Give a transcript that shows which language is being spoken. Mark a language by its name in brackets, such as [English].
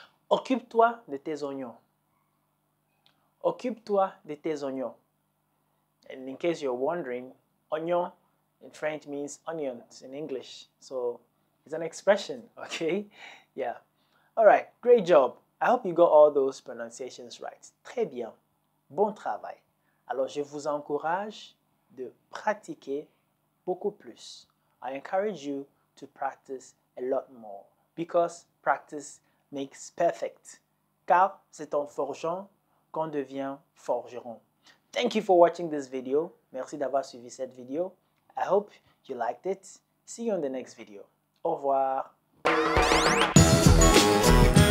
[French] Occupe-toi de tes oignons. Occupe-toi de tes oignons. [English] And in case you're wondering, oignon in French means onions in English. So, it's an expression, okay? Yeah. All right, great job. I hope you got all those pronunciations right. [French] Très bien. Bon travail. Alors, je vous encourage de pratiquer beaucoup plus. [English] I encourage you to practice a lot more because practice makes perfect. [French] Car c'est en forgeant qu'on devient forgeron. [English] Thank you for watching this video. [French] Merci d'avoir suivi cette vidéo. [English] I hope you liked it. See you on the next video. [French] Au revoir. [English] We'll be right back.